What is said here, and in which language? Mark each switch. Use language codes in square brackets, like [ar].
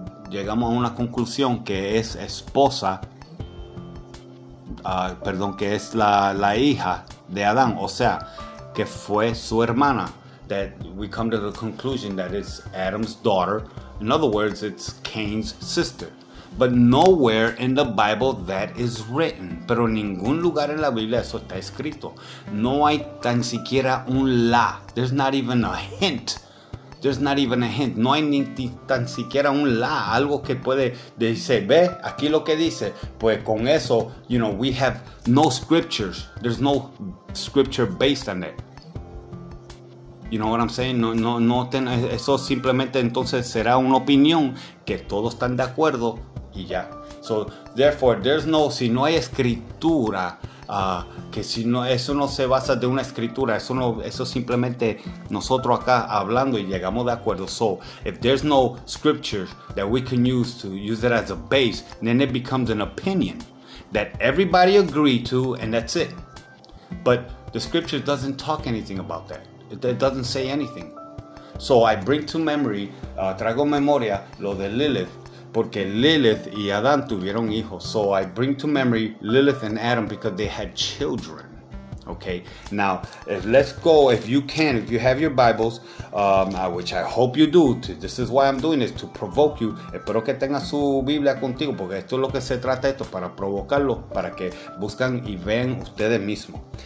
[es] Llegamos a una conclusión que es esposa, perdón, que es la hija de Adán. O sea, que fue su hermana. [en] That we come to the conclusion that it's Adam's daughter. In other words, it's Cain's sister. But nowhere in the Bible that is written. [es] Pero en ningún lugar en la Biblia eso está escrito. No hay tan siquiera un la. [en] There's not even a hint. There's not even a hint. [es] No hay ni tan siquiera un la. Algo que puede decir, ve, aquí lo que dice. Pues con eso, [en] you know, we have no scriptures. There's no scripture based on it. You know what I'm saying? [es] No, eso simplemente entonces será una opinión que todos están de acuerdo. Y ya. [en] So, therefore, there's no, [es] si no hay escritura, que si no, eso no se basa de una escritura, eso no, eso simplemente nosotros acá hablando y llegamos de acuerdo. [en] So, if there's no scripture that we can use to use it as a base, then it becomes an opinion that everybody agreed to and that's it. But the scripture doesn't talk anything about that. It doesn't say anything. So, I bring to memory, [es] traigo memoria lo de Lilith. Porque Lilith y Adán tuvieron hijos. [en] So I bring to memory Lilith and Adam because they had children. Okay, now let's go. If you can, if you have your Bibles, which I hope you do, this is why I'm doing this, to provoke you. [es] Espero que tenga su Biblia contigo, porque esto es lo que se trata, esto para provocarlo, para que buscan y vean ustedes mismos.